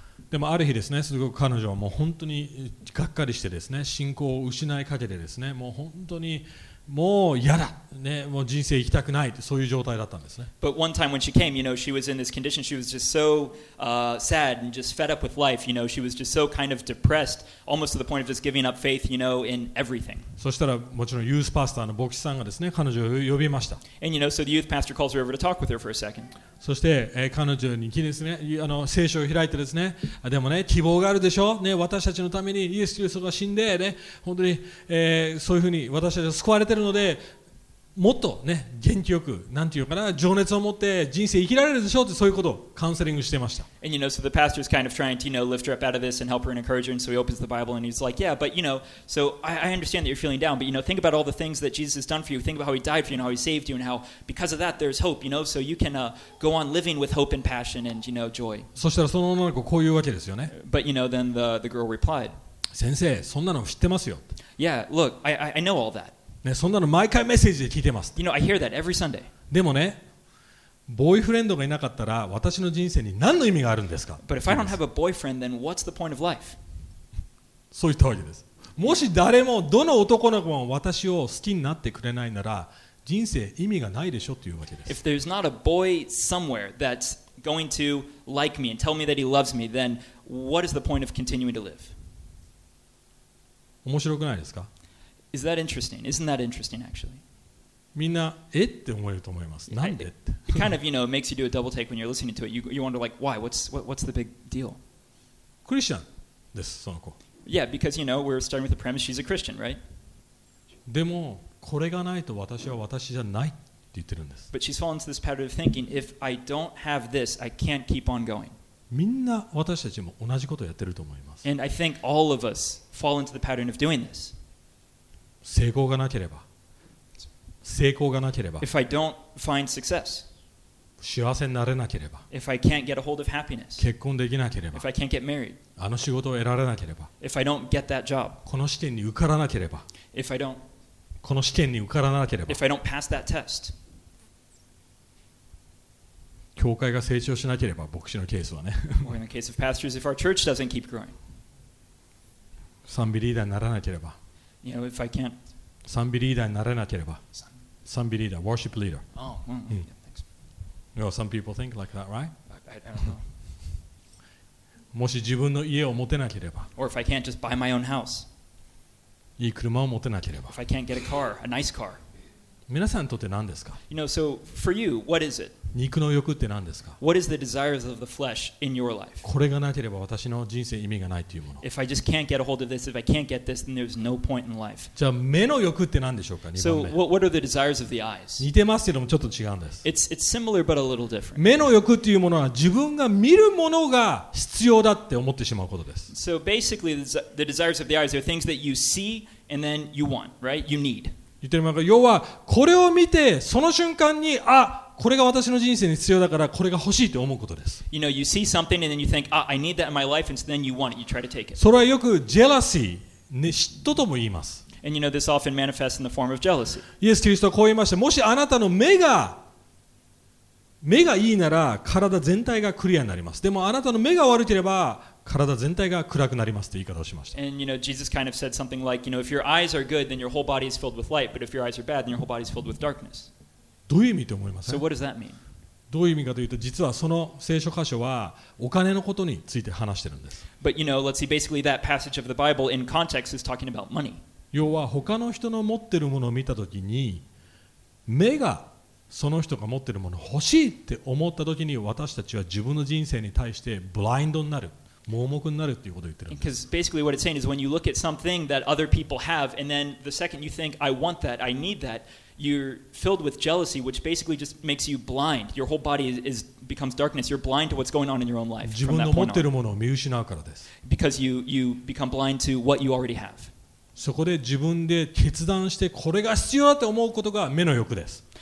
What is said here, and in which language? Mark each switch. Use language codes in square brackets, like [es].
[ja] でもある日ですね、すごく彼女はもう本当にがっかりしてですね、信仰を失いかけてですね、もう本当にもう嫌だ、ね、もう人生生きたくないそういう状態だったんですね。 [en] But one time when she came, you know, she was in this condition. She was just so sad and just fed up with life. You know, she was just so kind of depressed, almost to the point of just giving up faith, you know, in everything. [ja] そしたらもちろんユースパスターの牧師さんがですね、彼女を呼びました。 [en] And you know, so the youth pastor calls her over to talk with her for a second. [ja] そして、彼女に来ですね、聖書を開いてですね、でもね、希望があるでしょう、ね、私たちのためにイエス・キリストが死んで、ね、本当に、そういうふうに私たちは救われてるので、もっとね、元気よく、なんていうかな、情熱を持って人生生きられるでしょうって、そういうことをカウンセリングしてました。 [en] And you know, so the pastor's kind of trying to, you know, lift her up out of this and help her and encourage her, and so he opens the Bible and he's like, yeah, but you know, so I understand that you're feeling down, but you know, think about all the things that Jesus has done for you, think about how he died for you and how he saved you and how because of that there's hope, you know, so you can go on living with hope and passion and, you know, joy. [ja] そしたらその女の子こういうわけですよね。 [en] But you know, then the girl replied, [ja] 先生、そんなの知ってますよ。 [en] Yeah, look, I know all that. [ja] ね、そんなの毎回メッセージで聞いてます。 [en] You know, I hear that every Sunday. [ja] でもね、ボーイフレンドがいなかったら私の人生に何の意味があるんですか。 [en] But if I don't have a boyfriend, then what's the point of life? [ja] そういったわけです。もし誰もどの男の子も私を好きになってくれないなら、人生意味がないでしょというわけです。 [en] If there's not a boy somewhere that's going to like me and tell me that he loves me, then what is the point of continuing to live? [ja] 面白くないですか。 [en] Is that interesting? Isn't that interesting, actually? [ja] みんな、え? って思えると思います。なんで?って。 [en] It kind of, you know, makes you do a double take when you're listening to it. You wonder, like, why? What's the big deal? [ja] クリスチャンです、その子。 [en] Yeah, because, you know, we're starting with the premise she's a Christian, right? [ja] でも、これがないと私は私じゃないって言ってるんです。 [en] But she's fallen into this pattern of thinking, if I don't have this, I can't keep on going. [ja] みんな私たちも同じことをやってると思います。 [en] And I think all of us fall into the pattern of doing this. [ja] 成功がなければ、成功がなければ、 [en] If I don't find success, [ja] 幸せになれなければ、 [en] If I can't get a hold of happiness, [ja] 結婚できなければ、 [en] If I can't get married, [ja] あの仕事を得られなければ、 [en] If I don't get that job, [ja] この試験に受からなければ、 [en] If I don't, [ja] この試験に受からなければ、 [en] If I don't pass that test, [ja] 教会が成長しなければ、牧師のケースはね。 [en] Or in the case of pastors, if our church doesn't keep growing, [ja] 賛美リーダーにならなければ、 [en] You know, if I can't. [ja] 賛美リーダーになれなければ。賛美リーダー、 [en] worship leader. Oh, well, thanks. Well, some people think like that, right? I don't know. [ja] もし自分の家を持てなければ。 [en] Or if I can't just buy my own house. [ja] いい車を持てなければ。 [en] If I can't get a car, a nice car. [ja] 皆さんにとって何ですか? [en] You know, so for you, what is it? [ja] 肉の欲って何ですか? [en] What is the desires of the flesh in your life? [ja] これがなければ私の人生意味がないというもの。 [en] If I just can't get a hold of this, if I can't get this, then there's no point in life. [ja] じゃあ目の欲って何でしょうか? 2番目。 [en] So what are the desires of the eyes? [ja] 似てますけどもちょっと違うんです。 [en] It's similar but a little different. [ja] 目の欲っていうものは自分が見るものが必要だって思ってしまうことです。 [en] So basically the desires of the eyes are things that you see and then you want, right? You need. [ja] 言ってるのが要はこれを見てその瞬間にあこれが私の人生に必要だからこれが欲しいと思うことです。 [en] You know, you see something and then you think, ah, I need that in my life, and so then you want it, you try to take it. [ja] それはよくジェラシー、ね、嫉妬とも言います。 [en] And you know, this often manifests in the form of jealousy. [ja] イエス・キリストはこう言いました。もしあなたの目がいいなら体全体がクリアになります。でもあなたの目が悪ければ体全体が暗くなりますという言い方をしました。 [en] And you know, Jesus kind of said something like, you know, if your eyes are good, then your whole body is filled with light. But if your eyes are bad, then your whole body is filled with darkness. [ja] どういう意味と思います [en] か? So what does that mean? [ja] どういう意味かというと、実はその聖書箇所はお金のことについて話してるんです。 [en] But you know, let's see, basically that passage of the Bible in context is talking about money. [ja] 要は他の人の持ってるものを見たときに、目がその人が持ってるものを欲しいって思ったときに、私たちは自分の人生に対してブラインドになる。盲目になるっていうことを言ってるんです。 [en] Because basically what it's saying is when you look at something that other people have and then the second you think I want that, I need that, you're filled with jealousy which basically just makes you blind. Your whole body is becomes darkness. You're blind to what's going on in your own life. [ja] 自分の持ってるものを見失うからです。 [en] Because you become blind to what you already have. [ja] そこで自分で決断してこれが必要だと思うことが目の欲です。